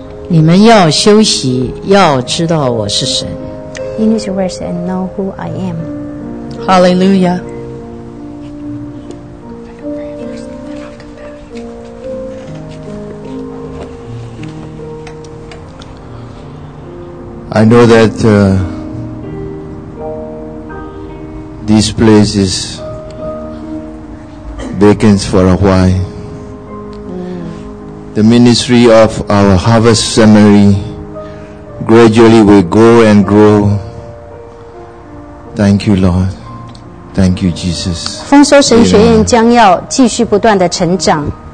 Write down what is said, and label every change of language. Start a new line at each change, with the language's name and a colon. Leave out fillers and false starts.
Chinese: You 们要休息，要知道我是神。
English: You need to rest and know who I am. Hallelujah. I know that this place is vacant for a while. The ministry of our Harvest Seminary gradually will grow and grow. Thank you, Lord. Thank you, Jesus.
Chinese: 丰收神学院将要继续不断的成长。